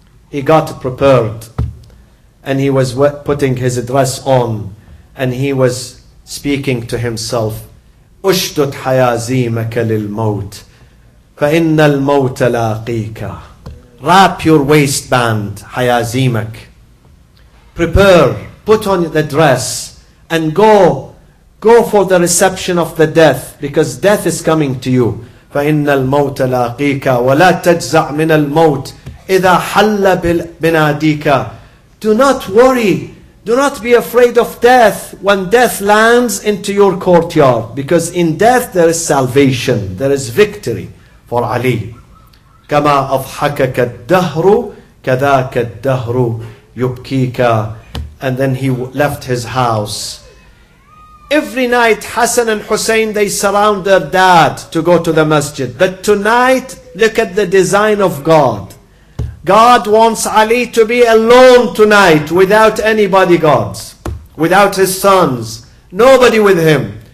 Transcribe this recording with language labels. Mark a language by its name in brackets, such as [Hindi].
[English] He got prepared, and he was putting his dress on, and he was speaking to himself, [Arabic] أشدد حيازيمك للموت فإن الموت لاقيك. [English] Wrap your waistband, حيازيمك. Prepare, put on the dress, and go for the reception of the death, because death is coming to you. [Arabic] فإن الموت لاقيك ولا تجزع من الموت إذا حل بناديك. [English] Do not worry. Do not be afraid of death when death lands into your courtyard. Because in death there is salvation. There is victory for Ali. [Arabic] كما أضحكك الدهر كذاك الدهر يبكيك. [English] And then he left his house. Every night Hassan and Hussein, they surround their dad to go to the masjid. But tonight, look at the design of God. God wants Ali to be alone tonight without any bodyguards, without his sons, nobody with him.